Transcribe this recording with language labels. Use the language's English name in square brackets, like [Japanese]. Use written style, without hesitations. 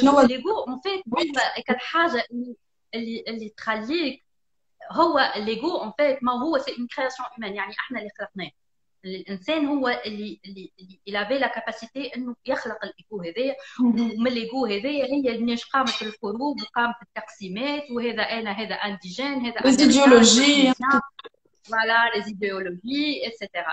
[French] L'ego, en fait, quelque chose qui traduit, l'ego, en fait, c'est une création humaine, [Arabic] يعني احنا اللي خلقناه. الانسان هو اللي لافي لا كاباسيتي انه يخلق الايجو هذايا, ومن الايجو هذايا هي اللي قامت الحروب وقامت التقسيمات, وهذا انا هذا انديجين هذا [French] Les [Arabic] امريكان [French] idéologies. voilà les idéologies etc.